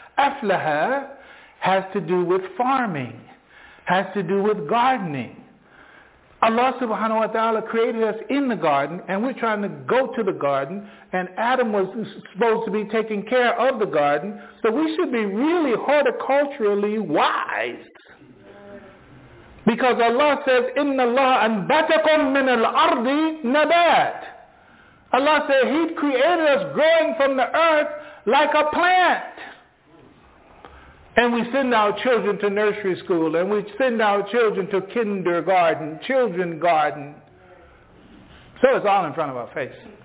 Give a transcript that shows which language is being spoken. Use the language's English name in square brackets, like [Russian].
[English] أَفْلَهَا has to do with farming, has to do with gardening. Allah subhanahu wa ta'ala created us in the garden, and we're trying to go to the garden, and Adam was supposed to be taking care of the garden, so we should be really horticulturally wise. Because Allah says, [Arabic] إِنَّ اللَّهَ أَنْبَتَكُمْ مِنَ الْأَرْضِ نَبَاتِ. [English] Allah said, He created us growing from the earth like a plant. And we send our children to nursery school, and we send our children to kindergarten, children garden. So it's all in front of our face.